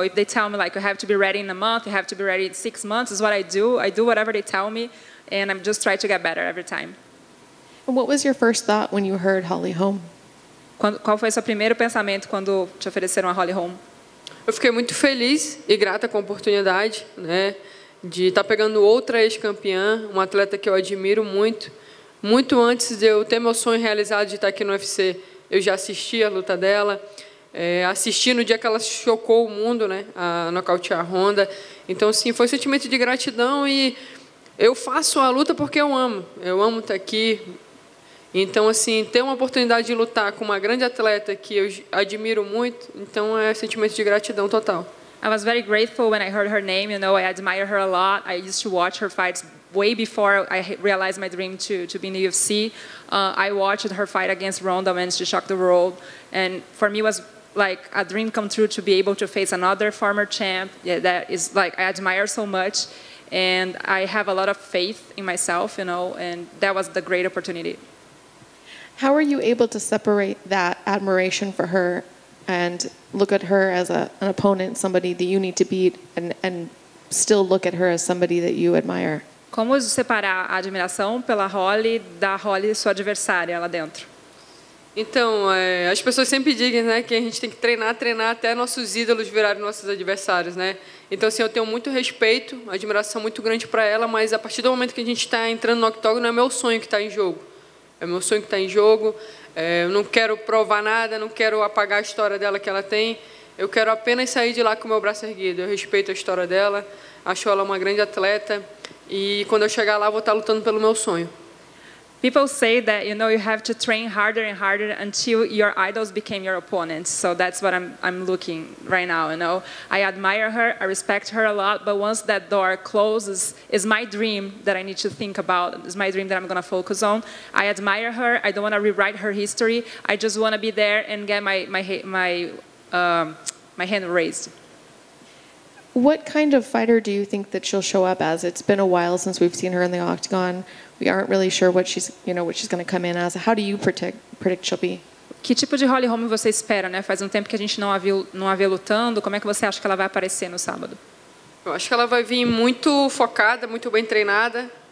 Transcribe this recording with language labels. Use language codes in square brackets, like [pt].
[en] If they tell me, like, you have to be ready in a month, you have to be ready in 6 months, is what I do. I do whatever they tell me, and I just try to get better every time. And what was your first thought when you heard Holly Holm? [pt] Qual foi seu primeiro pensamento quando te ofereceram a Holly Holm? Eu fiquei muito feliz e grata com a oportunidade, né, de estar pegando outra ex-campeã, uma atleta que eu admiro muito. Muito antes de eu ter meu sonho realizado de estar aqui no UFC, eu já assisti a luta dela. Assisti no dia que ela chocou o mundo, né, a nocautear a Ronda. Então, sim, foi um sentimento de gratidão e eu faço a luta porque eu amo. Eu amo estar aqui. Então, assim, ter uma oportunidade de lutar com uma grande atleta que eu admiro muito, então é um sentimento de gratidão total. [en] I was very grateful when I heard her name, you know, I admire her a lot. I used to watch her fights way before I realized my dream to be in the UFC. I watched her fight against Ronda when she shocked the world, and for me it was like a dream come true to be able to face another former champ. Yeah, that is like I admire so much, and I have a lot of faith in myself, you know, and that was the great opportunity. How are you able to separate that admiration for her and look at her as an opponent, somebody that you need to beat, and still look at her as somebody that you admire? [pt] Como separar a admiração pela Holly da Holly, sua adversária, lá dentro? Então, as pessoas sempre dizem, né, que a gente tem que treinar até nossos ídolos virarem nossos adversários, né? Então, assim, eu tenho muito respeito, admiração muito grande para ela, mas a partir do momento que a gente está entrando no octógono, é meu sonho que está em jogo. É meu sonho que está em jogo. Eu não quero provar nada, não quero apagar a história dela que ela tem. Eu quero apenas sair de lá com o meu braço erguido. Eu respeito a história dela, acho ela uma grande atleta. E quando eu chegar lá, vou estar lutando pelo meu sonho. [en] People say that, you know, you have to train harder and harder until your idols became your opponents. So that's what I'm looking right now, you know. I admire her, I respect her a lot, but once that door closes, it's my dream that I need to think about. It's my dream that I'm going to focus on. I admire her, I don't want to rewrite her history. I just want to be there and get my hand raised. What kind of fighter do you think that she'll show up as? It's been a while since we've seen her in the octagon. We aren't really sure what she's, you know, what she's going to come in as. How do you predict she'll be? [pt] Que tipo de Holly Holm você espera, né? Faz tempo que a gente não a vê lutando. Como é que você acha que ela vai aparecer no sábado? Eu acho que ela vai vir muito focada, muito bem treinada.